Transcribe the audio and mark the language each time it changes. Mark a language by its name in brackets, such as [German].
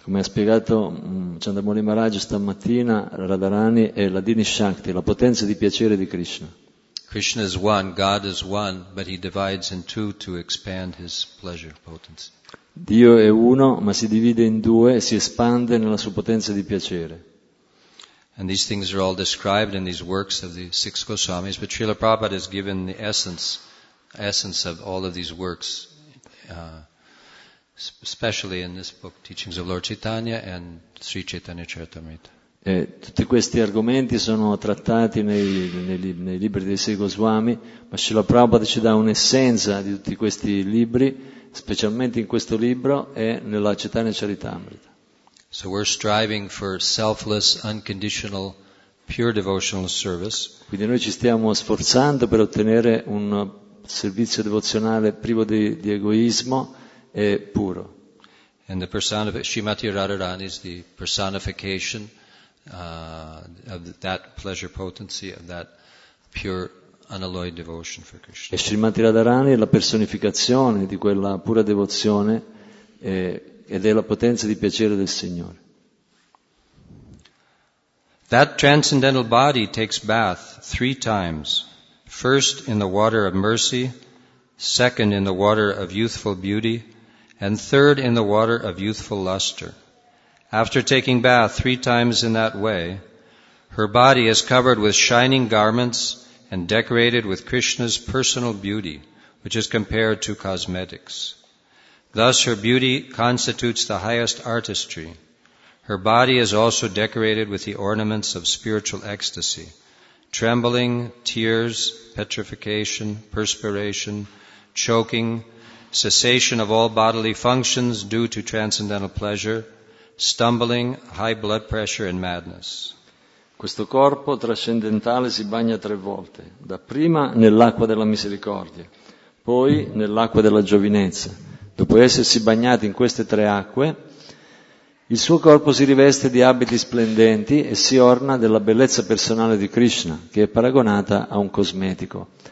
[Italian] Come ha spiegato Chandramouli Maharaj stamattina, Radharani è Ladini Shakti, la potenza di piacere di Krishna. [English] Krishna is one, God is one, but he divides in two to expand his pleasure potency. [Italian] Dio è uno, ma si divide in due e si espande nella sua potenza di piacere. [English] And these things are all described in these works of the six Goswamis, but Srila Prabhupada has given the essence of all of these works, especially in this book, Teachings of Lord Chaitanya and Sri Chaitanya Charitamrita. [Italian] Tutti questi argomenti sono trattati nei libri dei sei Goswami, ma Srila Prabhupada ci dà un'essenza di tutti questi libri, specialmente in questo libro e nella Chaitanya Charitamrita. [English] So we're striving for selfless, unconditional, pure devotional service. [Italian] Quindi noi ci stiamo sforzando per ottenere un servizio devozionale privo di egoismo e puro. [English] And the Srimati Radharani is the personification of that pleasure potency, of that pure unalloyed devotion for Krishna. [Italian] E Srimati Radharani è la personificazione di quella pura devozione ed è la potenza di piacere del Signore. [English] That transcendental body takes bath three times, first in the water of mercy, second in the water of youthful beauty, and third in the water of youthful luster. After taking bath three times in that way, her body is covered with shining garments and decorated with Krishna's personal beauty, which is compared to cosmetics. Thus her beauty constitutes the highest artistry. Her body is also decorated with the ornaments of spiritual ecstasy, trembling, tears, petrification, perspiration, choking, cessation of all bodily functions due to transcendental pleasure, stumbling, high blood pressure and madness. [Italian] Questo corpo trascendentale si bagna tre volte, dapprima nell'acqua della misericordia, poi nell'acqua della giovinezza. Dopo essersi bagnato in queste tre acque, il suo corpo si riveste di abiti splendenti e si orna della bellezza personale di Krishna, che è paragonata a un cosmetico.